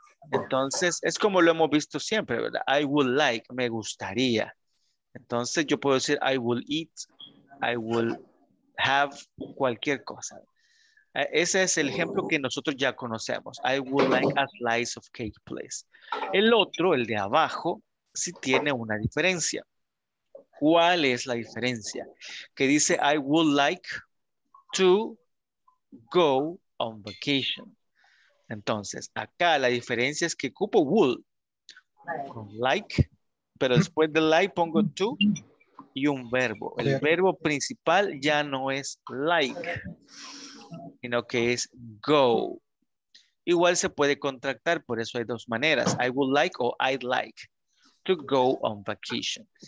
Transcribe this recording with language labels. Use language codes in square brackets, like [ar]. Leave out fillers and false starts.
[es] Entonces, es como lo hemos visto siempre, ¿verdad? [en] I would like, [es] me gustaría. Entonces, yo puedo decir [en] I will eat, I will have [es] cualquier cosa. Ese es el ejemplo que nosotros ya conocemos. [en] I would like a slice of cake, please. [es] El otro, el de abajo, sí tiene una diferencia. ¿Cuál es la diferencia? Que dice [en] I would like to go on vacation. [es] Entonces, acá la diferencia es que ocupo would con like, pero después de like pongo to y un verbo. El verbo principal ya no es like, sino que es go. Igual se puede contractar, por eso hay dos maneras. [en] I would like o I'd like to go on vacation.